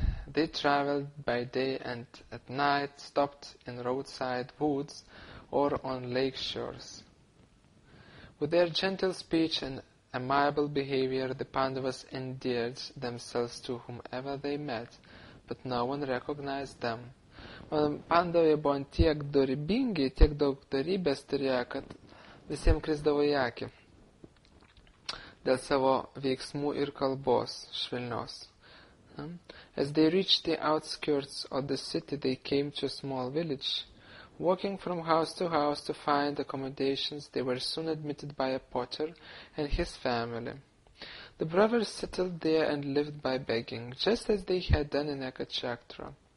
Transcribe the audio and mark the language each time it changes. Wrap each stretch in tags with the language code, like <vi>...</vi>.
<en>They traveled by day and at night stopped in roadside woods or on lake shores. With their gentle speech and amiable behavior, the Pandavas endeared themselves to whomever they met, but no one recognized them.</en> <lt>Man, Pandavai buvo tiek dorybingi, tiek daug dorybės turėjo, kad visiems krisdavo į akį dėl savo veiksmų ir kalbos švelnios.</lt> <en>As they reached the outskirts of the city, they came to a small village. Walking from house to find accommodations, they were soon admitted by a potter and his family. The brothers settled there and lived by begging, just as they had done in Ekachakra.</en>